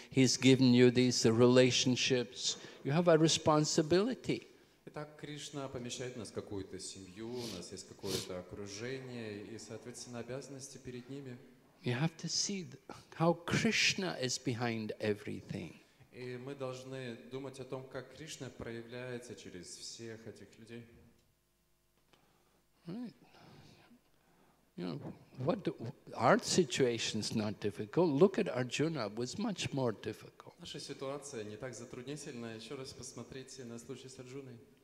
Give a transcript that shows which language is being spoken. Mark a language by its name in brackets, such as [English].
[English] He's given you these relationships. You have a responsibility. [Russian] Итак, Кришна помещает нас в какую-то семью, у нас есть какое-то окружение и, соответственно, обязанности перед ними. [English] You have to see how Krishna is behind everything. [Russian] И мы должны думать о том, как Кришна проявляется через всех этих людей. [English] Right. You know, our situation is not difficult. Look at Arjuna, it was much more difficult. [Russian] Наша ситуация не так затруднительна. Еще раз посмотрите на случай с Арджуной.